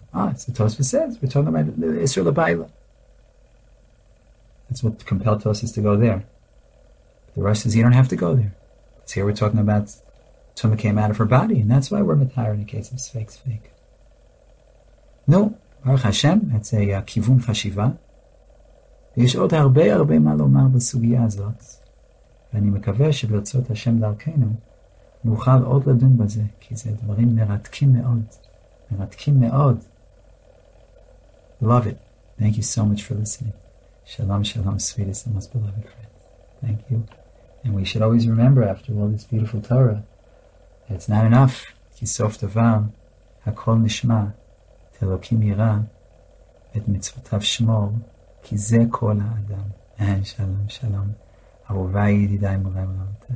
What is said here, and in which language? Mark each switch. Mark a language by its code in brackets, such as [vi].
[en] Ah, so Tosfos says, we're talking about the Isra Labayla. That's what compelled Tosfos to go there. But the Rosh says, you don't have to go there. Because here we're talking about Tumah came out of her body, and that's why we're Mitari in the case of Sfeik Sfeika. No, Baruch Hashem, that's a Kivun Chashiva. [he] יש עוד הרבה הרבה מה לומר בסוגיה הזאת, ואני מקווה שברצות השם דרכנו נוכל עוד לדון בזה, כי זה דברים מרתקים מאוד, מרתקים מאוד. [en] Love it. Thank you so much for listening. Shalom, shalom, sweetest and most beloved friend. Thank you. And we should always remember, after all this beautiful Torah, that it's not enough. [he] כי סוף דבר, הכל נשמע. אלוקים ירא את מצוותיו שמור, כי זה כל האדם. שלום, שלום. אהובי ידידיי מורי ורבי.